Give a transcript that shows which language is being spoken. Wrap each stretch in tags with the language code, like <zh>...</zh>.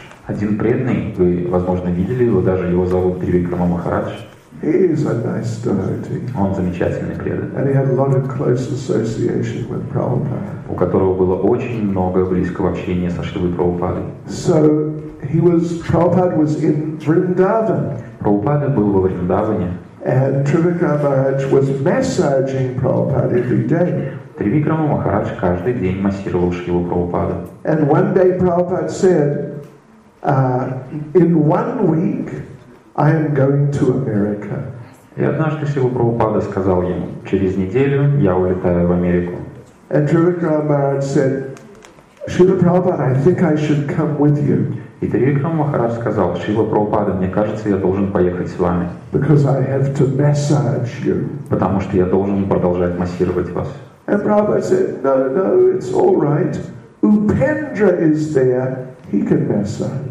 <ru>Один преданный, вы, возможно, видели его, даже его зовут Тривикрама Махарадж.</ru> <en>He is a nice devotee.</en> <ru>Он замечательный преданный.</ru> <en>And he had a lot of close association with Prabhupada.</en> <ru>У которого было очень много близкого общения со Шрилой Прабхупадой.</ru> <en>So he was, Prabhupada was in Vrindavan.</en> <ru>Прабхупада был во Вриндаване.</ru> <en>And Trivikrama Maharaj was massaging Prabhupada every day.</en> <ru>Тривикрама Махарадж каждый день массировал Шрилу Прабхупаду.</ru> <en>And one day Prabhupada said, in 1 week, I am going to America.</en> <ru>И однажды Шрила Прабхупада сказал ему, через неделю я улетаю в Америку.</ru> <en>And Trivikrama Maharaj said, Srila Prabhupada, I think I should come with you.</en> <ru>И Тривикрама Махарадж сказал, Шрила Прабхупада, мне кажется, я должен поехать с вами.</ru> <en>Because I have to massage you.</en> <ru>Потому что я должен продолжать массировать вас.</ru> <en>And Prabhupada said, no, it's all right. Upendra is there, he can massage.</en>